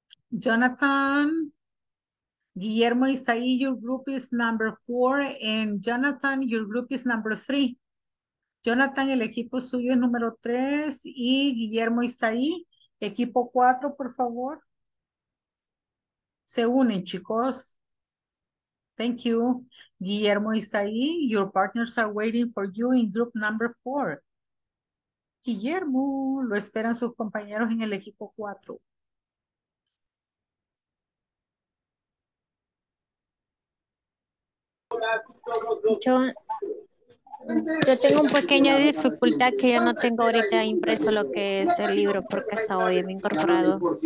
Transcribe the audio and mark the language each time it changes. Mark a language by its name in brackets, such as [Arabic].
[English] Jonathan, Guillermo Isai, your group is number 4, and Jonathan, your group is number 3. [Spanish] Jonathan, el equipo suyo es número 3, y Guillermo Isai, equipo 4, por favor. Se unen, chicos. [English] Thank you. Guillermo Isai, your partners are waiting for you in group number 4. [Spanish] Guillermo, lo esperan sus compañeros en el equipo 4. Yo tengo un pequeño dificultad que yo no tengo ahorita impreso lo que es el libro porque hasta hoy me he incorporado.